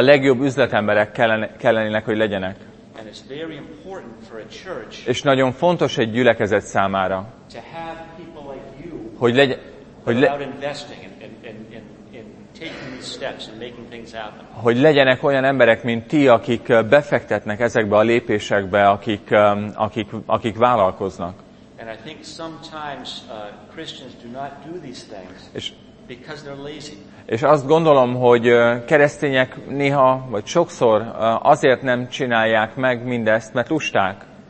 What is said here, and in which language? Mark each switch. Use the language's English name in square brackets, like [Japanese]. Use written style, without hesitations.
[Hungarian] A legjobb üzletemberek kellenének, hogy legyenek. [English] And it's very important for a church. [Hungarian] És nagyon fontos egy gyülekezet számára. [English] To have people like you. [Hungarian] Hogy [English] investing in taking these steps and making things happen. [Hungarian] Hogy legyenek olyan emberek, mint ti, akik befektetnek ezekbe a lépésekbe, akik vállalkoznak. [English] And I think sometimes Christians do not do these things. Because they're lazy. [Hungarian] És azt gondolom, hogy keresztények néha, vagy sokszor azért nem csinálják meg mindezt, mert lusták.